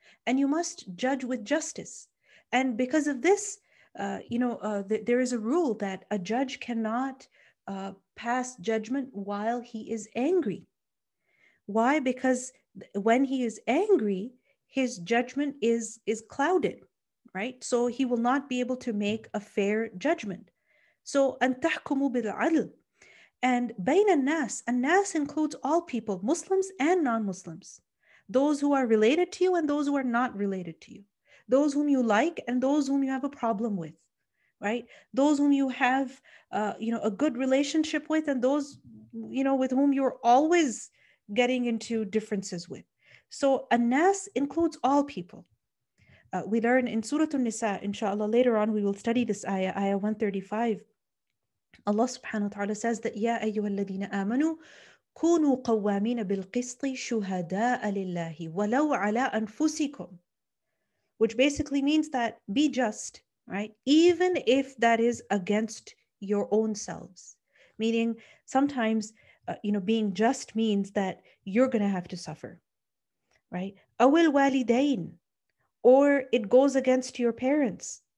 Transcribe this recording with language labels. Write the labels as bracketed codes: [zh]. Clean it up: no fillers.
[en] And you must judge with justice. And because of this, there is a rule that a judge cannot pass judgment while he is angry. Why? Because when he is angry, his judgment is clouded, right? So he will not be able to make a fair judgment. So [ar] أَنْ تَحْكُمُوا بِالْعَدْلِ. [en] And [ar] بين الناس, [en] and الناس includes all people, Muslims and non-Muslims, those who are related to you and those who are not related to you, those whom you like and those whom you have a problem with, right? Those whom you have, a good relationship with, and those, you know, with whom you're always getting into differences with. So الناس includes all people. We learn in Surah Nisaa, inshallah, later on, we will study this ayah, ayah 135. Allah subhanahu wa ta'ala says that [ar] يَا أَيُّهَا الَّذِينَ آمَنُوا كُونُوا قَوَّامِينَ بِالْقِسْطِ شُهَدَاءَ لِلَّهِ وَلَوْ عَلَىٰ أَنفُسِكُمْ. [en] Which basically means that be just, right? Even if that is against your own selves. Meaning sometimes, being just means that you're going to have to suffer, right? [ar] أَوِ الْوَالِدَيْنِ. [en] Or it goes against your parents.